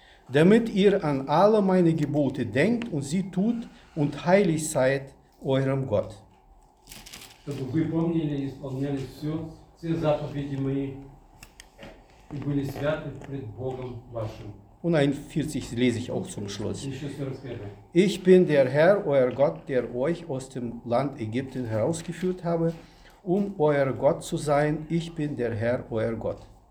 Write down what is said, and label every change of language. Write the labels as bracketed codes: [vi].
[de] Damit ihr an alle meine Gebote denkt und sie tut und heilig seid eurem Gott. [ru] Чтобы вы помнили и исполняли все заповеди мои, и были святы пред Богом вашим. [de] Und 41 lese ich auch zum Schluss. Ich bin der Herr, euer Gott, der euch aus dem Land Ägypten herausgeführt habe, um euer Gott zu sein. Ich bin der Herr, euer Gott.